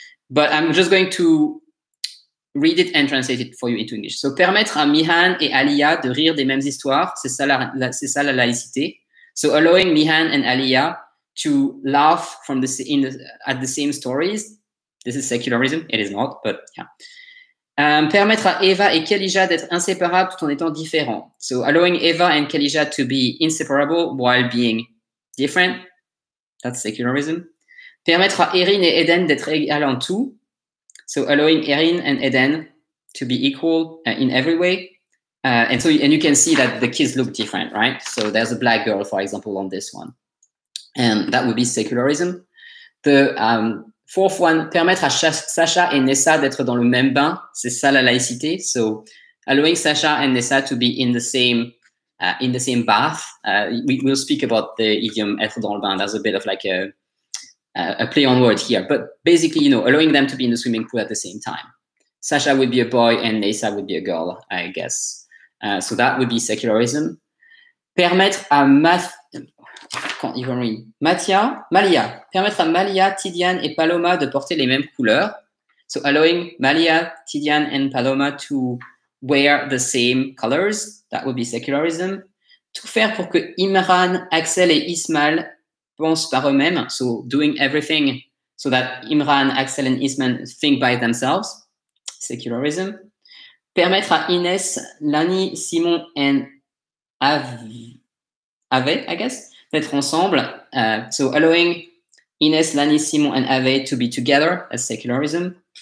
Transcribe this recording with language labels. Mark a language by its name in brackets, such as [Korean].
[English] But I'm just going to read it and translate it for you into English. So, [French] permettre à Mihan et Alia de rire des mêmes histoires, c'est ça la laïcité. [English] So, allowing Mihan and Alia to laugh at the same stories, this is secularism, it is not, but yeah. [French] Permettre à Eva et Khalija d'être inséparables tout en étant différents. [English] So, allowing Eva and Khalija to be inseparable while being different, that's secularism. [French] Permettre à Erin et Eden d'être égales en tout. [English] So allowing Erin and Eden to be equal in every way. And you can see that the kids look different, right? So there's a black girl, for example, on this one. And that would be secularism. The fourth one, [French] permettre à Sacha et Nessa d'être dans le même bain, c'est ça la laïcité. [English] So allowing Sacha and Nessa to be in the same in the same bath. We'll speak about the idiom [French] être dans le bain. [English] That's a bit of like a play on words here, but basically, you know, allowing them to be in the swimming pool at the same time. Sasha would be a boy and Nessa would be a girl, I guess. So that would be secularism. [French] Permettre à permettre à Malia, Tidiane et Paloma de porter les mêmes couleurs. [English] So allowing Malia, Tidiane and Paloma to wear the same colors, that would be secularism. [French] Tout faire pour que Imran, Axel et Ismail pensent par eux-mêmes. [English] So doing everything so that Imran, Axel and Ismail think by themselves. [French] Secularism. Permettre à Inès, Lani, Simon and Ave, [English] I guess, [French] d'être ensemble. [English] So allowing Inès, Lani, Simon and Ave to be together as secularism.